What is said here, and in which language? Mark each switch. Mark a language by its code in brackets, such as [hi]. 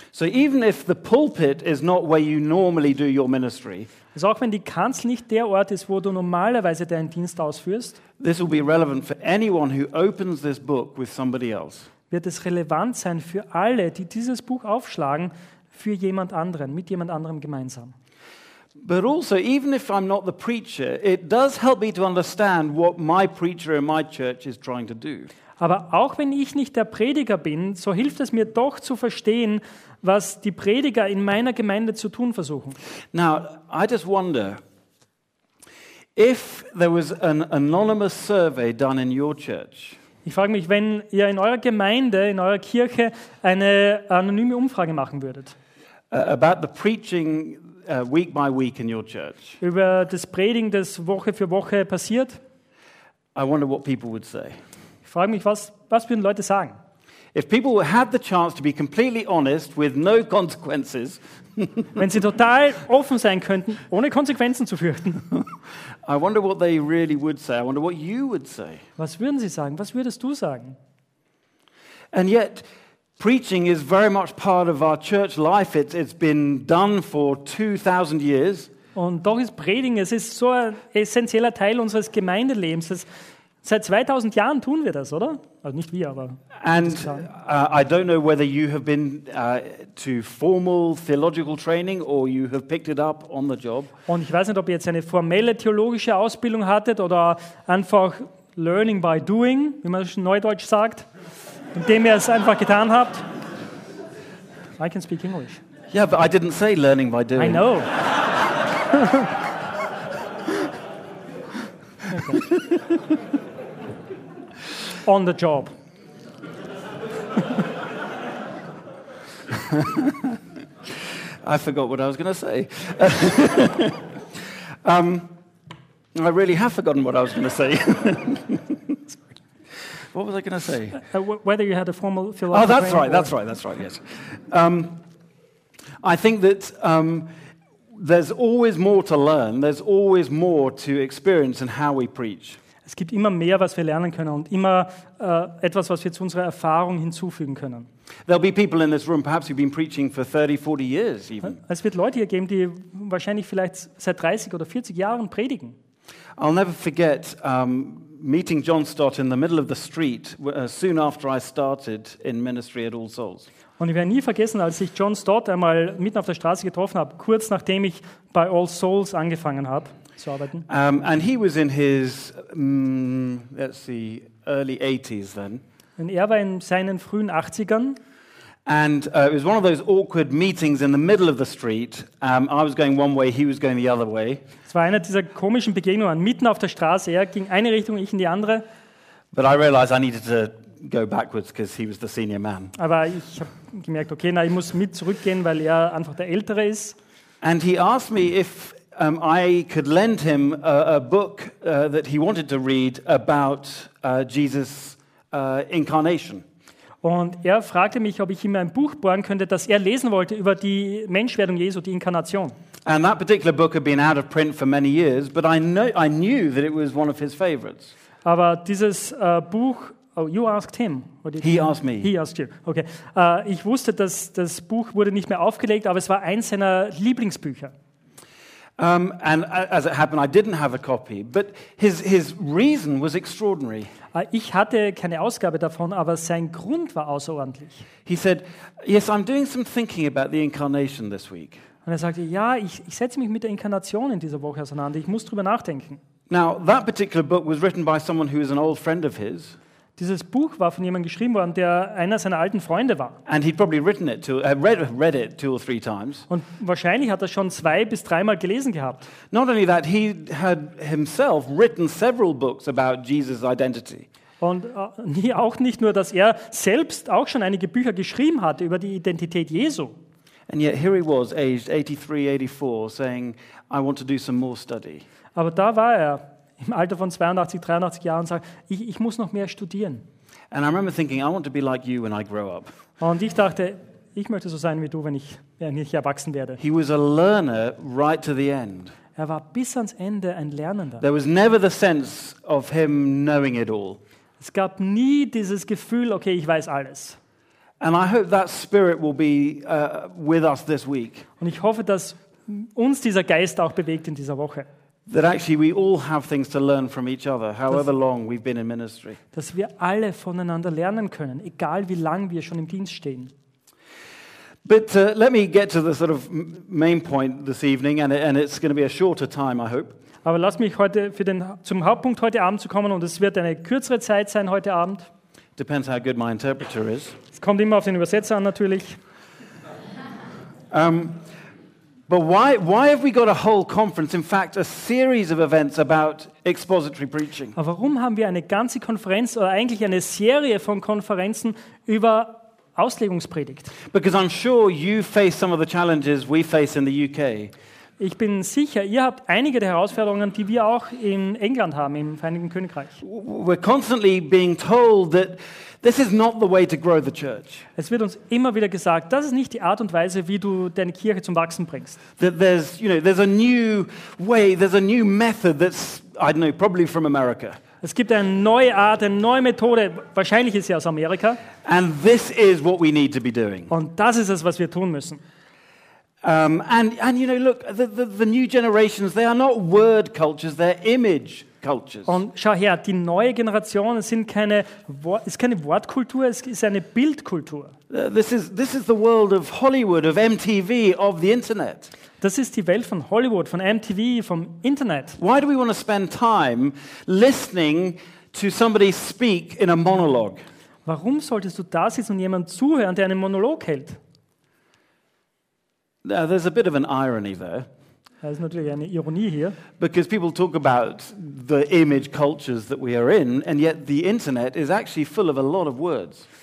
[en] So even if the pulpit is not where you normally do your ministry, [de] also auch wenn die Kanzel nicht der Ort ist, wo du normalerweise deinen Dienst ausführst, [en] this will be relevant for anyone who opens this book with somebody else. [de] Wird es relevant sein für alle, die dieses Buch aufschlagen, für jemand anderen, mit jemand anderem gemeinsam. [en] But also, even if I'm not the preacher, it does help me to understand what my preacher in my church is trying to do. [de] Aber auch wenn ich nicht der Prediger bin, so hilft es mir doch zu verstehen, was die Prediger in meiner Gemeinde zu tun versuchen. [en] Now, I just wonder, if there was an anonymous survey done in your church. [de] Ich frage mich, wenn ihr in eurer Gemeinde, in eurer Kirche eine anonyme Umfrage machen würdet. [en] About the preaching week by week in your church. [de] Über das Predigen, das Woche für Woche passiert. [en] I wonder what people would say. [de] Ich frage mich, was würden Leute sagen? [en] If people had the chance to be completely honest with no consequences, [de] wenn sie total offen sein könnten, ohne Konsequenzen zu fürchten. [en] I wonder what they really would say. I wonder what you would say. [de] Was würden sie sagen? Was würdest du sagen? [en] And yet, preaching is very much part of our church life. It's been done for 2,000 years. [de] Und doch ist Predigen, es ist so ein essentieller Teil unseres Gemeindelebens. Seit 2000 Jahren tun wir das, oder? Also nicht wir, aber. [en] And I don't know whether you have been to formal theological training or you have picked it up on the job. [de] Und ich weiß nicht, ob ihr jetzt eine formelle theologische Ausbildung hattet oder einfach [en] learning by doing, [de] wie man es in Neudeutsch sagt, indem ihr es einfach getan habt. [en] I can speak English. Yeah, but I didn't say learning by doing. I know. Okay. On the job. I forgot what I was going to say. I really have forgotten what I was going to say. What was I going to say? Whether you had a formal philosophy. Oh, that's right. That's right. That's right. Yes. I think that there's always more to learn. There's always more to experience in how we preach. [de] Es gibt immer mehr, was wir lernen können und immer etwas, was wir zu unserer Erfahrung hinzufügen können. [en] There'll be people in this room, perhaps you've been preaching for 30, 40 years even. [de] Es wird Leute hier geben, die wahrscheinlich vielleicht seit 30 oder 40 Jahren predigen. [en] I'll never forget meeting John Stott in the middle of the street soon after I started in ministry at All Souls. [de] Und ich werde nie vergessen, als ich John Stott einmal mitten auf der Straße getroffen habe, kurz nachdem ich bei All Souls angefangen habe. [en] And he was in his let's see, early 80s then. [de] Und er war in seinen frühen 80ern. [en] And it was one of those awkward meetings in the middle of the street. I was going one way, he was going the other way. [de] Es war einer dieser komischen Begegnungen mitten auf der Straße. Er ging eine Richtung, ich in die andere. [en] But I realized I needed to go backwards because he was the senior man. [de] Aber ich habe gemerkt, okay, na, ich muss mit zurückgehen, weil er einfach der Ältere ist. [en] And he asked me if I could lend him a book that he wanted to read about Jesus' incarnation. [de] Und er fragte mich, ob ich ihm ein Buch borgen könnte, das er lesen wollte über die Menschwerdung Jesu, die Inkarnation. [en] And that particular book had been out of print for many years, but I knew that it was one of his favorites. [de] Aber dieses Buch, [en] oh, you asked him. Or did he asked me. He asked you. Okay. [de] Ich wusste, dass das Buch wurde nicht mehr aufgelegt, aber es war eins seiner Lieblingsbücher. [en] And as it happened, I didn't have a copy. But his reason was extraordinary. [de] Ich hatte keine Ausgabe davon, aber sein Grund war außerordentlich. [en] He said, "Yes, I'm doing some thinking about the incarnation this week." [de] Und er sagte, ja, ich setze mich mit der Inkarnation in dieser Woche auseinander. Ich muss drüber nachdenken. [en] Now that particular book was written by someone who is an old friend of his. [de] Dieses Buch war von jemandem geschrieben worden, der einer seiner alten Freunde war. [en] And he'd probably written it read it two or three times. [de] Und wahrscheinlich hat er schon zwei bis dreimal gelesen gehabt. [en] Not only that, he had himself written several books about Jesus' identity. [de] Und auch nicht nur, dass er selbst auch schon einige Bücher geschrieben hatte über die Identität Jesu. [en] And yet here he was, aged 83, 84, saying, "I want to do some more study." [de] Aber da war er im Alter von 82, 83 Jahren sagt, ich muss noch mehr studieren. [en] And I remember thinking, I want to be like you when I grow up. [de] Und ich dachte, ich möchte so sein wie du, wenn ich erwachsen werde. [en] He was a learner right to the end. [de] Er war bis ans Ende ein Lernender. [en] There was never the sense of him knowing it all. [de] Es gab nie dieses Gefühl, okay, ich weiß alles. [en] And I hope that spirit will be with us this week. [de] Und ich hoffe, dass uns dieser Geist auch bewegt in dieser Woche. [en] That actually we all have things to learn from each other, however long we've been in ministry. [de] Dass wir alle voneinander lernen können, egal wie lang wir schon im Dienst stehen. [en] But let me get to the sort of main point this evening, and it's going to be a shorter time, I hope. [de] Aber lass mich heute zum Hauptpunkt heute Abend zu kommen, und es wird eine kürzere Zeit sein heute Abend. [en] Depends how good my interpreter is. [de] Es kommt immer auf den Übersetzer an, natürlich. [en] But why have we got a whole conference, in fact a series of events about expository preaching? [de] Aber warum haben wir eine ganze Konferenz oder eigentlich eine Serie von Konferenzen über Auslegungspredigt? [en] Because I'm sure you face some of the challenges we face in the UK. [de] Ich bin sicher, ihr habt einige der Herausforderungen, die wir auch in England haben, im Vereinigten Königreich. [en] We're constantly being told that this is not the way to grow the church. [de] Es wird uns immer wieder gesagt, das ist nicht die Art und Weise, wie du deine Kirche zum Wachsen bringst. [en] That there's, you know, there's a new way, there's a new method that's, I don't know, probably from America. [de] Es gibt eine neue Art, eine neue Methode, wahrscheinlich ist sie aus Amerika. [en] And this is what we need to be doing. [de] Und das ist es, was wir tun müssen. [en] And you know, look, the new generations, they are not word cultures, they're image cultures. [de] Und schau her, die neue Generation ist keine Wortkultur, es ist eine Bildkultur. [en] This is the world of Hollywood, of MTV, of the Internet. [de] Das ist die Welt von Hollywood, von MTV, vom Internet. [en] Why do we want to spend time listening to somebody speak in a monologue? [de] Warum solltest du da sitzen und jemand zuhören, der einen Monolog hält? [en] Now, there's a bit of an irony there. [de] Da ist natürlich eine Ironie hier. [en] Because people talk about the image cultures that we are in, and yet the internet is actually full of a lot of words.